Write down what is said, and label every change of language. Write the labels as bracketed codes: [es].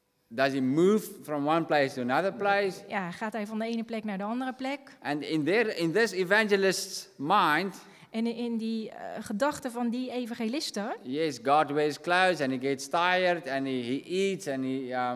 [en] Does he move from one place to another place? [nl] Ja, gaat hij van de ene plek naar de andere plek? [en] And in this evangelist's mind. [nl] En in die gedachten van die evangelisten. [en] Yes, God wears clothes and he gets tired and he eats and he